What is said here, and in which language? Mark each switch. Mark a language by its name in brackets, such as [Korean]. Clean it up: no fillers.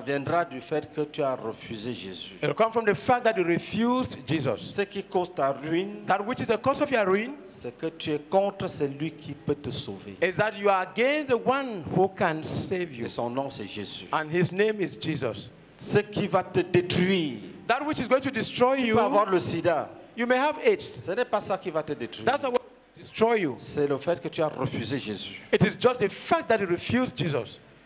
[French] Ça viendra du fait que tu as refusé Jésus. [English] It will come from the fact that you refused Jesus. [French] Ce qui cause ta ruine, [English] that which is the cause of your ruin, [French] c'est que tu es contre celui qui peut te sauver. [English] Is that you are against the one who can save you. [French] Et son nom c'est Jésus. [English] And his name is Jesus. [French] Ce qui va te détruire, [English] that which is going to destroy you. [French] Tu peux avoir le sida. [English] You may have AIDS. [French] Ce n'est pas ça qui va te détruire. [English] That's not what destroy you. [French] C'est le fait que tu as refusé Jésus. [English] It is just the fact that you refused Jesus.